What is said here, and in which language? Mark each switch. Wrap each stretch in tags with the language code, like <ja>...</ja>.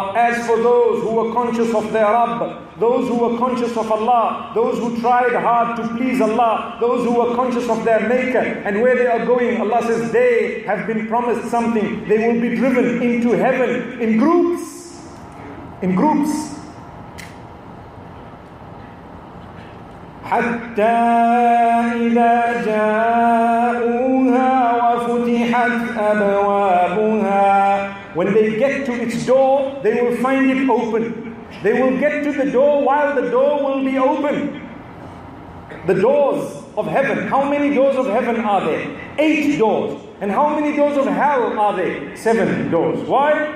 <en>As for those who were conscious of their Rabb, those who were conscious of Allah, those who tried hard to please Allah, those who were conscious of their Maker and where they are going, Allah says they have been promised something. They will be driven into heaven in groups. In groups.</en> <ar>حتى إذا جاءوها وفتحت أبوابها.</ar> <en>When they get to its door, they will find it open. They will get to the door while the door will be open. The doors of heaven. How many doors of heaven are there? 8 doors. And how many doors of hell are there? 7 doors. Why?</en>